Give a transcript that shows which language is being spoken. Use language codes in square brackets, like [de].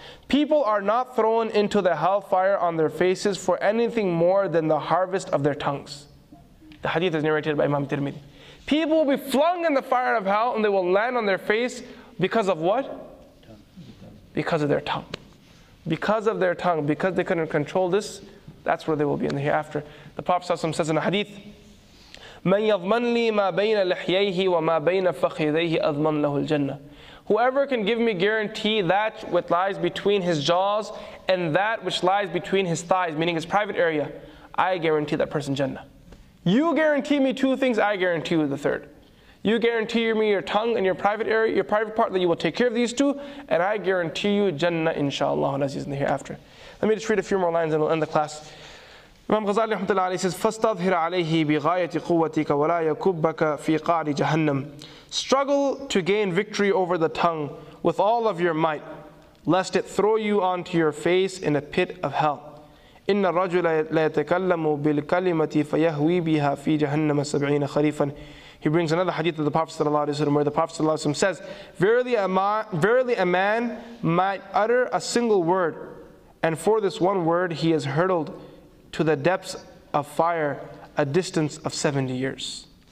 [en] People are not thrown into the hellfire on their faces for anything more than the harvest of their tongues. The hadith is narrated by Imam Tirmidhi. People will be flung in the fire of hell and they will land on their face because of what? Because of their tongue. Because of their tongue. Because they couldn't control this, that's where they will be in the hereafter. The Prophet ﷺ says in a hadith, [ar] مَنْ يَضْمَنْ لِي مَا بَيْنَ لِحْيَيْهِ وَمَا بَيْنَ فَخِذَيْهِ أَضْمَنْ لَهُ الْجَنَّةِ. [en] Whoever can give me guarantee that which lies between his jaws and that which lies between his thighs, meaning his private area, I guarantee that person Jannah. You guarantee me two things, I guarantee you the third. You guarantee me your tongue and your private area, your private part, that you will take care of these two, and I guarantee you Jannah, inshallah, as he's in the hereafter. Let me just read a few more lines and we'll end the class. Imam Ghazali says, [ar] فَاسْتَظْهِرَ عَلَيْهِ بِغَايَةِ قُوَّتِكَ وَلَا يَكُبَّكَ فِي قَعْرِ جَهَنَّمِ. [en] Struggle to gain victory over the tongue with all of your might, lest it throw you onto your face in a pit of hell. [ar] إِنَّ الرَّجُلَ لَيَتَكَلَّمُ بِالْكَلِمَةِ فَيَهْوِي بِهَا فِي جَهَنَّمَ سَبْعِينَ خَرِيفًا. [en] He brings another hadith of the Prophet sallallahu alaihi wasallam, where the Prophet sallallahu alaihi wasallam says, verily a man might utter a single word, and for this one word he is hurtled to the depths of fire, a distance of 70 years.